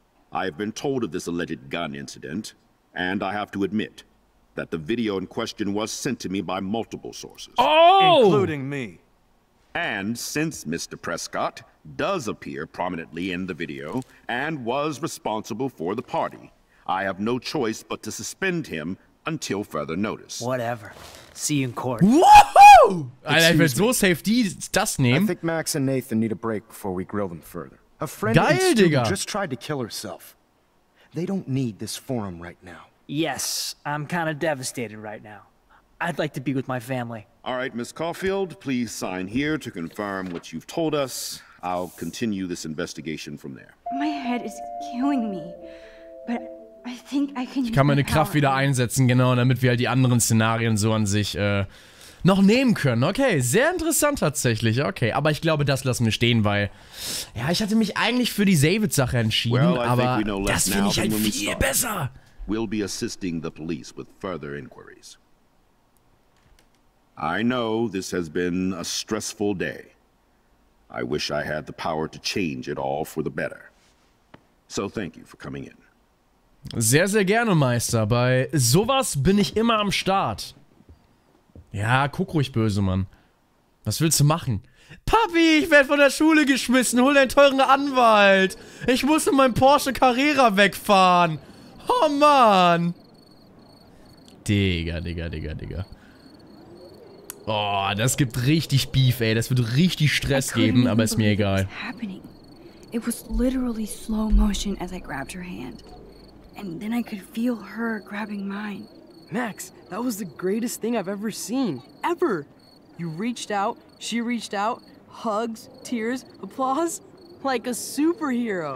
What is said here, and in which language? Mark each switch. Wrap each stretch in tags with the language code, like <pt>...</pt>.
<en>I have been told of this alleged gun incident, and I have to admit that the video in question was sent to me by multiple sources. Oh! Including me. And since Mr. Prescott does appear prominently in the video and was responsible for the party, I have no choice but to suspend him until further notice. Whatever. See you in court. Woohoo!</en> <de>Alter, ich werde so safe das nehmen.</de> <en>I think Max and Nathan need a break before we grill them further. A friend</en> <de>Geil,</de> <en>and student</en> <de>Digga.</de> <en>Just tried to kill herself. They don't need this forum right now. Yes, I'm kind of devastated right now. I'd like to be with my family. All right, Miss Caulfield, please sign here to confirm what you've told us. I'll continue this investigation from there. My head is killing me. But I think I can</en> <de>ich kann meine Kraft wieder einsetzen, genau, damit wir halt die anderen Szenarien so an sich noch nehmen können. Okay, sehr interessant tatsächlich, okay. Aber ich glaube, das lassen wir stehen, weil ja, ich hatte mich eigentlich für die Save-It-Sache entschieden,</de> <en>well,</en> <de>aber das finde ich halt viel besser.</de> <en>We'll be assisting the police with further inquiries. I know this has been a stressful day. I wish I had the power to change it all for the better. So thank you for coming in.</en> <de>Sehr, sehr gerne, Meister. Bei sowas bin ich immer am Start. Ja, guck ruhig böse, Mann. Was willst du machen? Papi, ich werde von der Schule geschmissen. Hol deinen teuren Anwalt. Ich muss in meinem Porsche Carrera wegfahren. Oh, Mann. Digga. Oh, das gibt richtig Beef, ey. Das wird richtig Stress geben, aber ist mir egal.</de> <en>It was literally slow motion as I grabbed her hand. And then I could feel her grabbing mine. Max, that was the greatest thing I've ever seen. Ever! You reached out, she reached out, hugs, tears, applause. Like a superhero.</en>